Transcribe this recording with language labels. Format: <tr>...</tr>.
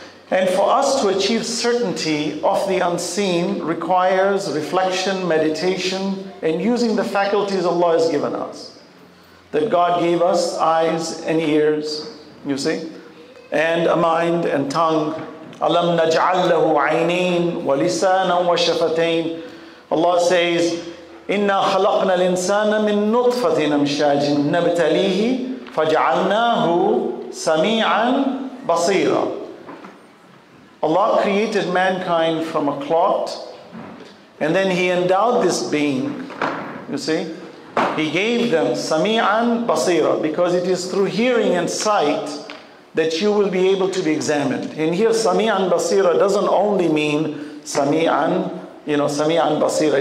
<en>And for us to achieve certainty of the unseen requires reflection, meditation, and using the faculties Allah has given us. That God gave us eyes and ears, you see, and a mind and tongue.</en> <ar>أَلَمْ نَجْعَلْ لَهُ عَيْنَيْنِ وَلِسَانًا وَشَفَتَيْنِ.</ar> <en>Allah says,</en> <ar>إِنَّا خَلَقْنَا الْإِنسَانَ مِنْ نُطْفَةٍ أَمْشَاجٍ نَبْتَلِيهِ فَجَعَلْنَاهُ سَمِيعًا بَصِيرًا.</ar> <en>Allah created mankind from a clot, and then He endowed this being, you see. He gave them</en> <ar>سَمِيعًا بَصِيرًا,</ar> <en>because it is through hearing and sight that you will be able to be examined. And here, Sami'an Basira doesn't only mean Sami'an, you know, Sami'an Basira.</en>